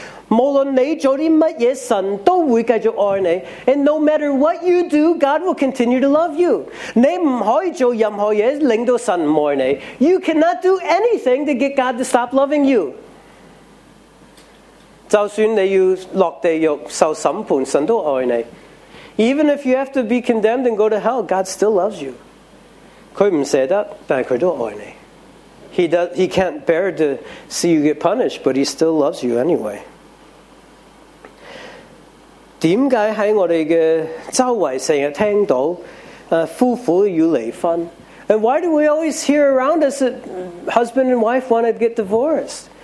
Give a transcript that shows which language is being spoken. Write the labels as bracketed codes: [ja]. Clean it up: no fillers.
[yue] 无论你做啲乜嘢，神都会继续爱你。 [en] And no matter what you do, God will continue to love you. [yue] 你唔可以做任何嘢令到神唔爱你。 [en] You cannot do anything to get God to stop loving you. [yue] 就算你要落地狱受审判，神都爱你。 [en] Even if you have to be condemned and go to hell, God still loves you. [yue] 佢唔舍得，但系佢都爱你。 [en] He can't bear to see you get punished, but he still loves you anyway. [yue] 点解喺我哋嘅周围成日听到夫妇要离婚 [en] ？And why do we always hear around us that husband and wife want to get divorced?